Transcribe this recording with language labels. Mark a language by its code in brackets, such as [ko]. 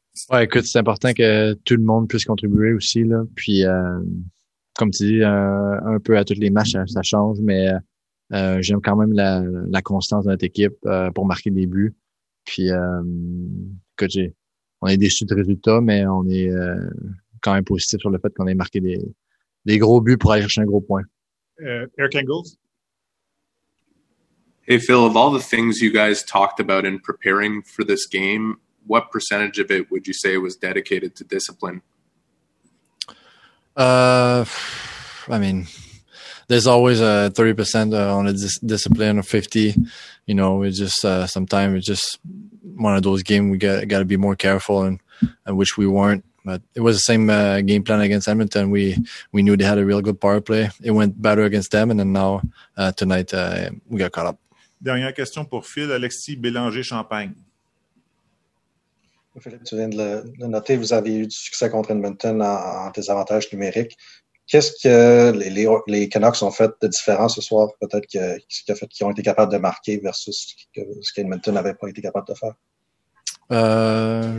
[fr] Ouais, écoute, c'est important que tout le monde puisse contribuer aussi, là. Puis, comme tu dis, un peu à tous les matchs, ça change, mais j'aime quand même la constance de notre équipe pour marquer des buts. Puis, écoute, on est déçus du résultat, mais on est quand même positif sur le fait qu'on ait marqué des gros buts pour aller chercher un gros point. Eric Engels? [en] Hey, Phil, of all the things you guys talked about in preparing for this game, what percentage of it would you say was dedicated to discipline? I mean, there's always a 30% on a discipline or 50. You know, we just sometimes it's just one of those games we got to be more careful, and which we weren't. But it was the same game plan against Edmonton. We knew they had a real good power play. It went better against them, and then now tonight we got caught up. [fr] Dernière question pour Phil, Alexis Bélanger-Champagne. Philippe, tu viens de le noter, vous avez eu du succès contre Edmonton en désavantage numérique. Qu'est-ce que les Canucks ont fait de différent ce soir? Peut-être ce qui a fait qu'ils ont été capables de marquer versus ce qu'Edmonton n'avait pas été capable de faire?